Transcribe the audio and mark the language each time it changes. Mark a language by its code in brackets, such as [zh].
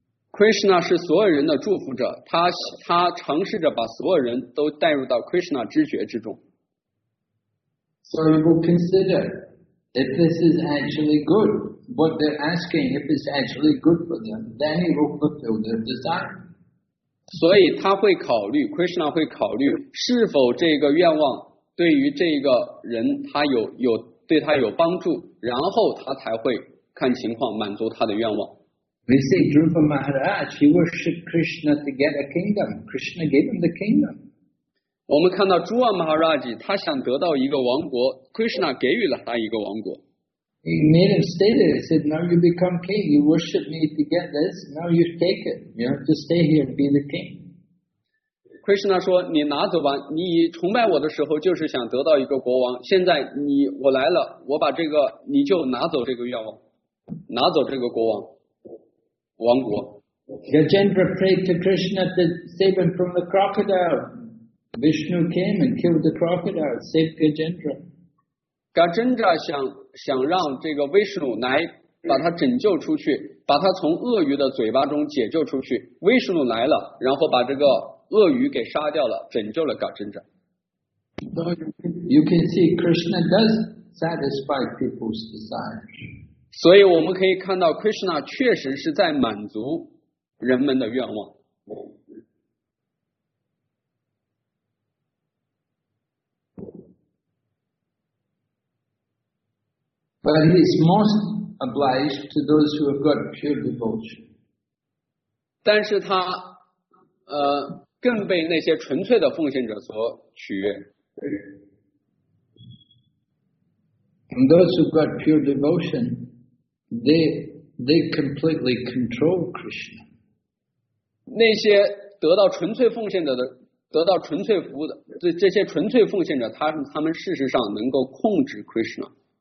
[zh] Krishna 是所有人的祝福者，他尝试着把所有人都带入到 Krishna 知觉之中。 [en] So we will consider if this is actually good. What they're asking, if it's actually good for them, then he will fulfill their desire. [zh] 所以他会考虑 ，Krishna 会考虑是否这个愿望对于这个人他有对他有帮助，然后他才会看情况满足他的愿望。 [en] We see Dhruva Maharaj, he worshipped Krishna to get a kingdom. Krishna gave him the kingdom. [zh] 我们看到 Dhruva Maharaj, 他想得到一个王国 ，Krishna 给予了他一个王国。 [en] He made him state it. He said, now you become king. You worship me to get this. Now you take it. You have to stay here and be the king. [zh] Krishna 说你拿走吧，你崇拜我的时候就是想得到一个国王，现在我来了，我把这个你就拿走这个愿望，拿走这个国王王国。 [en] Gajendra prayed to Krishna to save him from the crocodile. Vishnu came and killed the crocodile, saved Gajendra. [zh] Gajendra 想让这个 Vishnu 来把他拯救出去，把他从鳄鱼的嘴巴中解救出去。 Vishnu 来了，然后把这个鳄鱼给杀掉了，拯救了 Gajendra。 [en] So you can see Krishna does satisfy people's desires. [zh] 所以我们可以看到 Krishna 确实是在满足人们的愿望。 [en] But he is most obliged to those who have got pure devotion. [zh] 但是他更被那些纯粹的奉献者所取悦。 [en] And those who've got pure devotion, they completely control Krishna. [zh] 那些得到纯粹奉献者的得到纯粹服务的这些纯粹奉献者，他们事实上能够控制 Krishna。